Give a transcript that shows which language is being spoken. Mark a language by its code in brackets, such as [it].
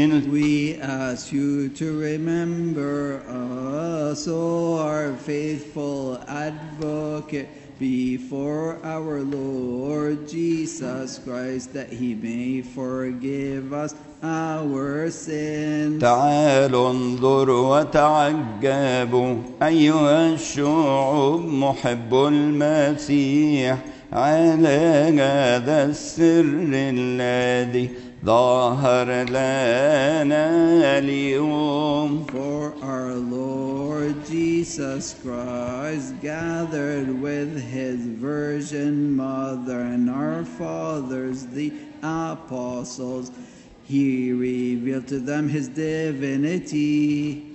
[en] We ask you to remember us, O our faithful advocate, before our Lord Jesus Christ, that he may forgive us our sins. [ar] تعالوا انظروا وتعجبوا أيها الشعوب محب المسيح على هذا السر الذي ظهر لنا اليوم. [en] For our Lord Jesus Christ gathered with his Virgin Mother and our fathers, the apostles, he revealed to them his divinity.